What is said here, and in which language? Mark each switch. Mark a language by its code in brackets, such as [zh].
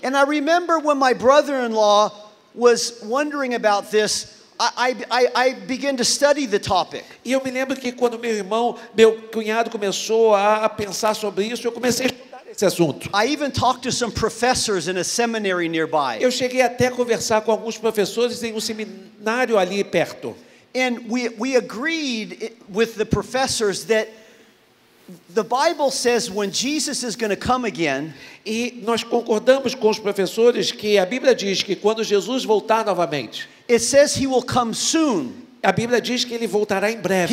[en] And I remember when my brother-in-law was wondering about this, I began to study the topic. [pt] E eu me lembro que quando meu cunhado começou a pensar sobre isso, eu comecei a estudar esse assunto. [en] I even talked to some professors in a seminary nearby. [pt] Eu cheguei até a conversar com alguns professores em seminário ali perto. [en] And we agreed with the professors that the Bible says when Jesus is going to come again. [pt] E nós concordamos com os professores que a Bíblia diz que quando Jesus voltar novamente. [en] It says he will come soon. [pt] A Bíblia diz que ele voltará em breve.